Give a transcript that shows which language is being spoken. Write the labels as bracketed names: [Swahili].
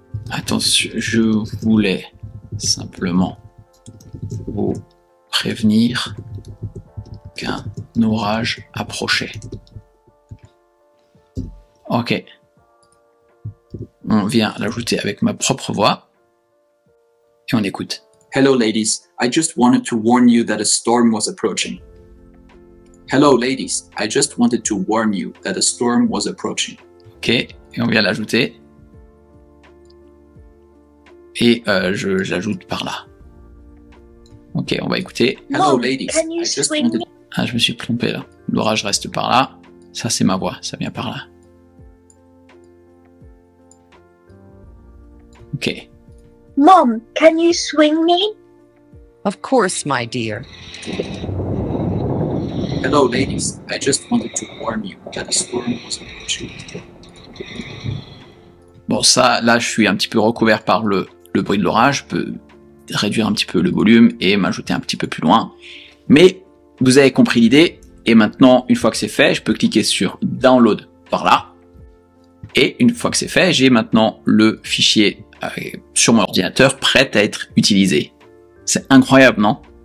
[French] Attention, je voulais simplement vous prévenir qu'un orage approchait. Ok. On vient l'ajouter avec ma propre voix et on écoute. [English] Hello ladies, I just wanted to warn you that a storm was approaching. Hello ladies, I just wanted to warn you that a storm was approaching. [French] Ok, et on vient l'ajouter. Et j'ajoute par là. Ok, on va écouter. [English] Hello ladies, [French] je me suis trompé là. L'orage reste par là. Ça c'est ma voix, ça vient par là. Ok. [English] Mom, can you swing me? Of course, my dear. Hello, ladies. I just wanted to warn you that a storm was approaching. [French] Bon, ça, là, je suis un petit peu recouvert par le bruit de l'orage. Je peux réduire un petit peu le volume et m'ajouter un petit peu plus loin. Mais vous avez compris l'idée. Et maintenant, une fois que c'est fait, je peux cliquer sur « Download » par là. Et une fois que c'est fait, j'ai maintenant le fichier sur mon ordinateur, prête à être utilisée. C'est incroyable, non?